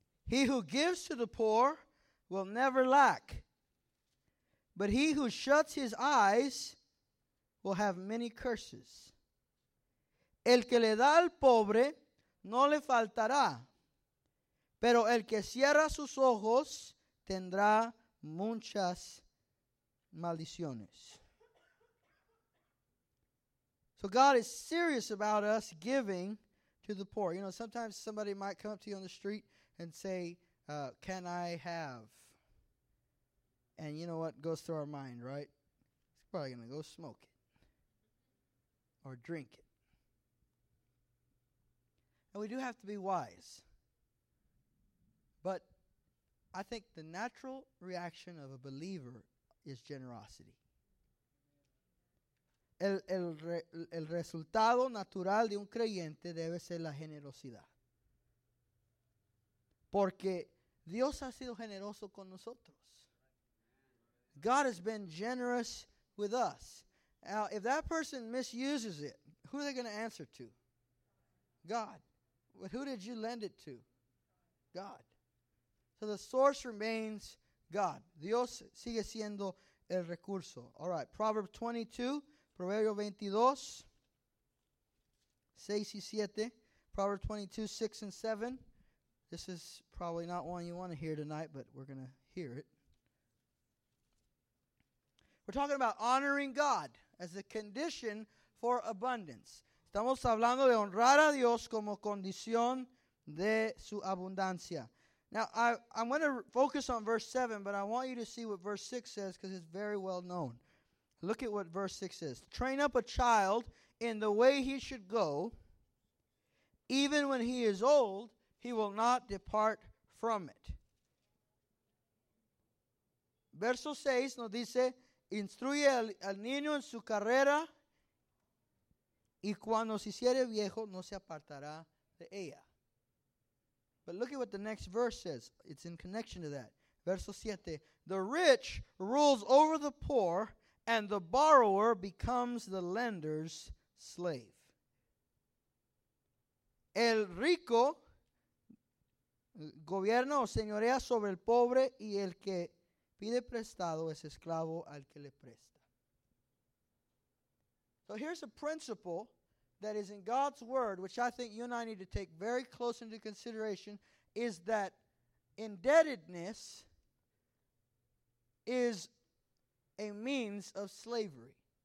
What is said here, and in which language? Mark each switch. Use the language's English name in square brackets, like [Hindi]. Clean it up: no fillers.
[English] 28:27. He who gives to the poor will never lack, but he who shuts his eyes will have many curses. [Spanish] El que le da al pobre no le faltará, pero el que cierra sus ojos tendrá muchas maldiciones. [English] So God is serious about us giving to the poor. You know, sometimes somebody might come up to you on the street and say, can I have? And you know what goes through our mind, right? It's probably going to go smoke it or drink it. And we do have to be wise. But I think the natural reaction of a believer is generosity. [Spanish] El resultado natural de un creyente debe ser la generosidad. Porque Dios ha sido generoso con nosotros. [English] God has been generous with us. Now, if that person misuses it, who are they going to answer to? God. But who did you lend it to? God. So the source remains God. [Spanish] Dios sigue siendo el recurso. [English] All right, Proverbs 22. [Spanish] Proverbios 22, 6 y 7. [English] Proverbs 22, 6 and 7. This is probably not one you want to hear tonight, but we're going to hear it. We're talking about honoring God as a condition for abundance. [Spanish] Estamos hablando de honrar a Dios como condición de su abundancia. [English] Now, I'm going to focus on verse 7, but I want you to see what verse 6 says because it's very well known. Look at what verse 6 says. Train up a child in the way he should go. Even when he is old, he will not depart from it. [Spanish] Verso 6 nos dice, instruye al niño en su carrera, y cuando se hiciere viejo, no se apartará de ella. [English] But look at what the next verse says. It's in connection to that. Verso 7, the rich rules over the poor, and the borrower becomes the lender's slave. [Spanish] El rico gobierna o señorea sobre el pobre, y el que pide prestado es esclavo al que le presta. [English] So here's a principle that is in God's word, which I think you and I need to take very close into consideration, is that indebtedness is a means of slavery.